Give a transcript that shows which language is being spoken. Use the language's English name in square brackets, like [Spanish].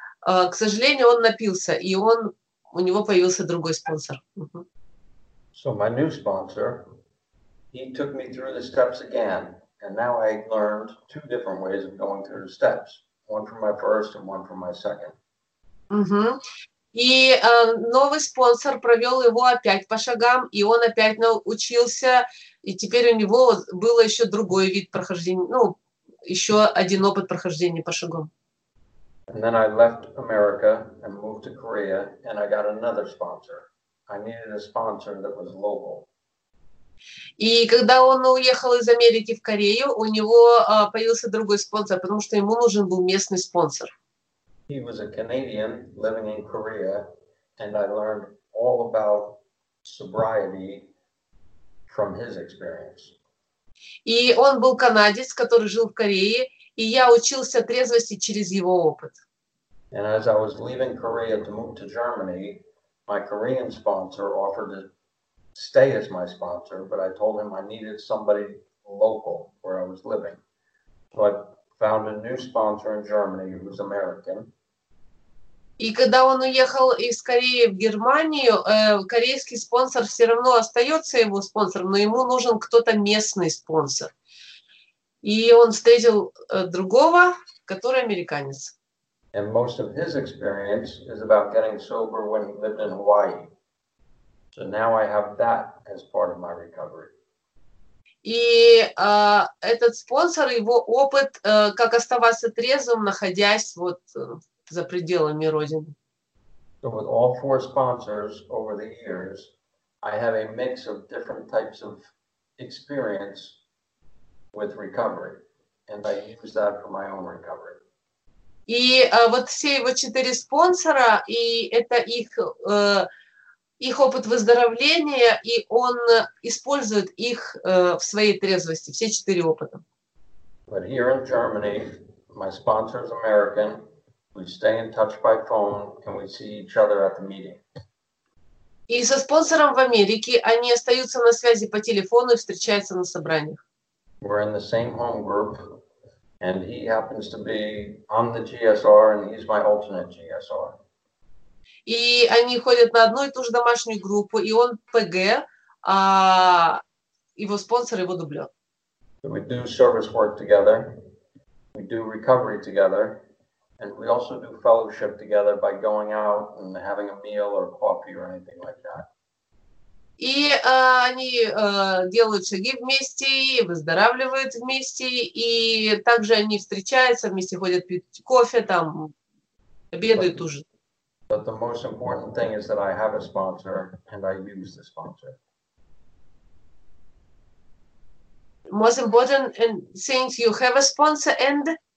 [Russian] К сожалению, он напился, и у него появился другой спонсор. [English] So my new sponsor, he took me through the steps again, and now I learned two different ways of going through the steps, one from my first and one from my second. [Russian] И новый спонсор провел его опять по шагам, и он опять научился, и теперь у него был еще другой вид прохождения, еще один опыт прохождения по шагам. [English] And then I left America and moved to Korea, and I got another sponsor. I needed a sponsor that was local. [Russian] И когда он уехал из Америки в Корею, у него появился другой спонсор, потому что ему нужен был местный спонсор. [English] He was a Canadian living in Korea, and I learned all about sobriety from his experience. [Russian] И он был канадец, который жил в Корее, и я учился трезвости через его опыт. [English] And as I was leaving Korea to move to Germany, my Korean sponsor offered to stay as my sponsor, but I told him I needed somebody local where I was living. So I found a new sponsor in Germany who was American. [Russian] И когда он уехал из Кореи в Германию, корейский спонсор все равно остается его спонсором, но ему нужен кто-то местный спонсор. И он встретил другого, который американец. [English] And most of his experience is about getting sober when he lived in Hawaii. So now I have that as part of my recovery. [Russian] И этот спонсор, его опыт, как оставаться трезвым, находясь вот за пределами Родины. [English] So with all four sponsors over the years, I have a mix of different types of experience with recovery. And I use that for my own recovery. [Russian] И вот все его четыре спонсора, и это их, их опыт выздоровления, и он использует их в своей трезвости, все четыре опыта. [English] But here in Germany, my sponsor is American. We stay in touch by phone, and we see each other at the meeting. [Russian] И со спонсором в Америке они остаются на связи по телефону и встречаются на собраниях. [English] We're in the same home group. And he happens to be on the GSR, and he's my alternate GSR. [Russian] И они ходят на одну и ту же домашнюю группу, и он ПГ, а его спонсор его дублёт. [English] We do service work together, we do recovery together, and we also do fellowship together by going out and having a meal or coffee or anything like that. [Russian] И они делают шаги вместе, выздоравливают вместе, и также они встречаются, вместе ходят пить кофе, там, обедают уже. [English] But the most important thing is that I have a sponsor, and I use the sponsor. Most important thing is you have a sponsor, and?